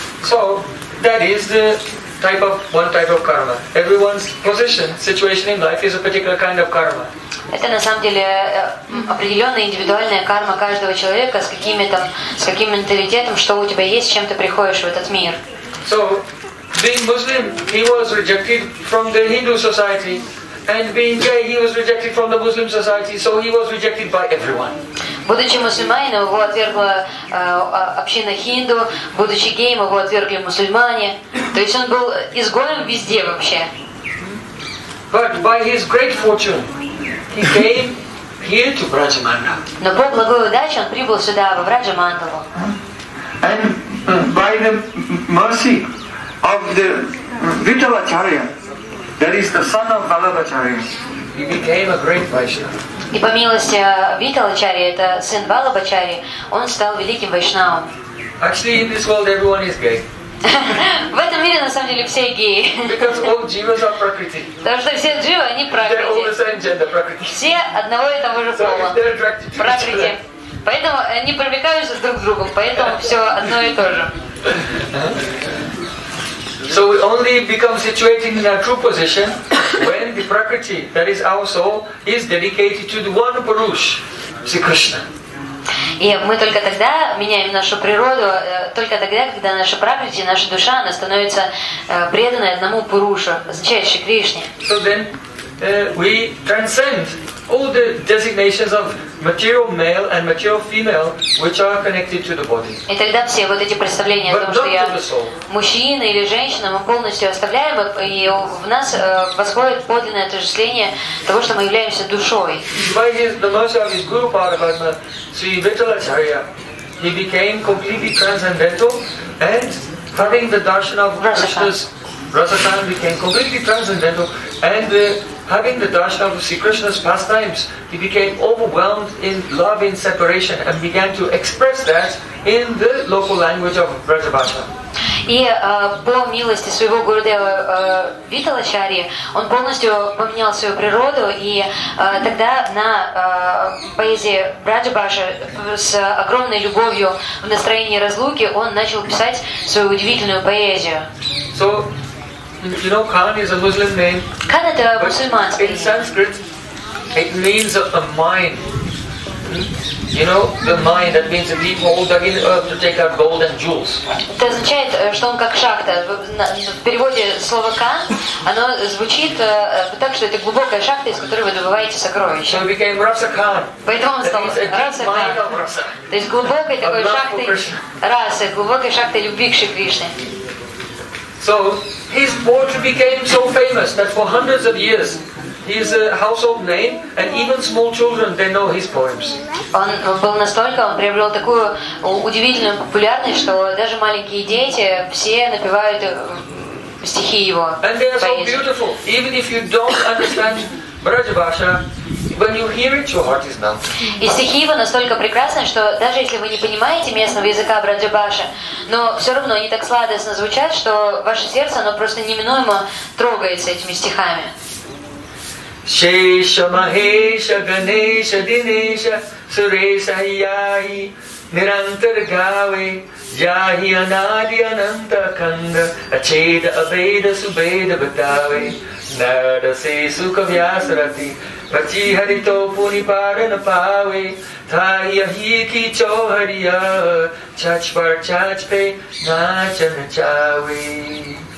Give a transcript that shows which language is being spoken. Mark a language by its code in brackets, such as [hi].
[en] So that is the type of one type of karma. Everyone's position, situation in life is a particular kind of karma. [ru] Это на самом деле определенная индивидуальная карма каждого человека с какими-то с каким менталитетом, что у тебя есть, с чем ты приходишь в этот мир. [en] So being Muslim, he was rejected from the Hindu society. And being gay, he was rejected from the Muslim society, so he was rejected by everyone. [ru] Будучи мусульманином, его отвергла община хинду. Будучи геем, его отвергли мусульмане. То есть он был изгоем везде вообще. [en] But by his great fortune, he came here to Brajamandala. [ru] Но по благой удаче он прибыл сюда, во Враджамандалу. [en] And by the mercy of the Vitalacharya, that is the son of Vallabhacharya. He became a great Vaishnava. [ru] И по милости Виталачарьи, это сын Валлабхачарьи, он стал великим вайшнавом. [en] Actually, in this world, everyone is gay. [ru] В этом мире, на самом деле, все геи. [en] Because all jivas are prakriti. [ru] Потому что все дживы, они прокрити. [en] They're all the same gender, prakriti. [ru] Все одного и того же пола. Прокрити. Поэтому они привлекаются друг к другу, поэтому все одно и то же. [en] So we only become situated in our true position when the prakriti, that is our soul, is dedicated to the one Purush, Sri Krishna. [ru] И мы только тогда меняем нашу природу, только тогда, когда наша пракрити, наша душа, она становится преданной одному Пурушу, Сри Кришне. [en] So then we transcend all the designations of material male and material female, which are connected to the body. [ru] И тогда все вот эти представления о том, что я мужчина или женщина, мы полностью оставляем, и в нас восходит подлинное отождествление того, что мы являемся душой. [en] By the mercy of his Guru Paramatma, Sri Vitalacharya, he became completely transcendental, and having the darshan of Krishna's Rasakhan became completely transcendental, and having the darshan of Sri Krishna's pastimes, he became overwhelmed in love in separation and began to express that in the local language of Vrajabhasha. [ru] И по милости своего Гурудева Виталачарьи, он полностью поменял свою природу, и тогда на поэзии Враджабхаши с огромной любовью в настроении разлуки он начал писать свою удивительную поэзию. [en] So, You know, Khan is a Muslim name. [ru] Khan это мусульманский. [en] In Sanskrit, it means a mine. You know, the mine that means a deep hole dug in the earth to take out gold and jewels. [ru] Это означает, что он как шахта. В переводе слова Khan, оно звучит так, что это глубокая шахта, из которой вы добываете сокровища. [en] So it became Rasa Khan. [ru] Поэтому он стал Rasa Khan. То есть глубокой такой шахтой расы, глубокой шахтой любви к Шри Кришне. [en] So his poetry became so famous that for hundreds of years he is a household name, and even small children they know his poems. [ru] Он был настолько, он приобрел такую удивительную популярность, что даже маленькие дети все напевают стихи его. [en] And they are so beautiful. Even if you don't understand Brajabhasha, when you hear it, your heart is melted. [ru] И стихи его настолько прекрасны, что даже если вы не понимаете местного языка Брадзюбаши, но все равно они так сладостно звучат, что ваше сердце, оно просто неминуемо трогается этими стихами. [bra] Шеша Махеша Ганеша Динеша Суреша Яхи Нирантар Гаве Яхи Анади Ананта Канда Ачеда Абеда Субеда Батаве Нада Сесу Кавьясарати Пати Харито Пуни Парана Паве Тая Хики Чохария Чачпар Чачпе Нача Начаве.